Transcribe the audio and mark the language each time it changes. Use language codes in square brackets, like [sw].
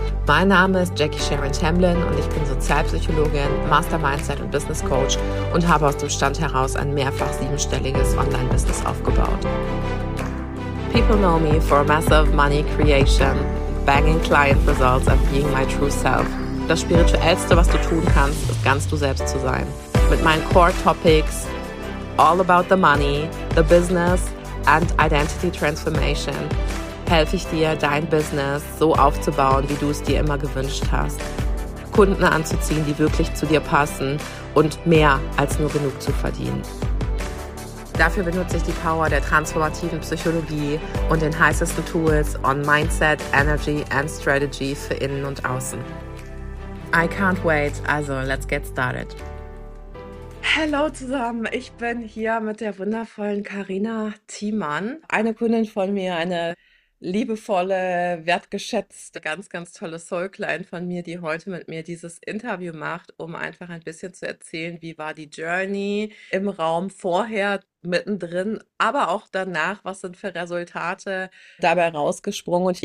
[de] Mein Name ist Jackie Sharon Tamblyn und ich bin Sozialpsychologin, Master-Mindset- und Business-Coach und habe aus dem Stand heraus ein mehrfach siebenstelliges Online-Business aufgebaut. [en] People know me for massive money creation, banging client results and being my true self. [de] Das Spirituellste, was du tun kannst, ist ganz du selbst zu sein. Mit meinen Core-Topics, [en] all about the money, the business, and Identity Transformation [de] helfe ich dir, dein Business so aufzubauen, wie du es dir immer gewünscht hast. Kunden anzuziehen, die wirklich zu dir passen und mehr als nur genug zu verdienen. Dafür benutze ich die Power der transformativen Psychologie und den heißesten Tools [en] on Mindset, Energy and Strategy [de] für innen und außen. [en] I can't wait, also let's get started. [de] Hallo zusammen, ich bin hier mit der wundervollen Carina Thiemann, eine Kundin von mir, eine liebevolle, wertgeschätzte, ganz, ganz tolle Soulclient von mir, die heute mit mir dieses Interview macht, um einfach ein bisschen zu erzählen, wie war die Journey im Raum vorher, mittendrin, aber auch danach, was sind für Resultate dabei rausgesprungen.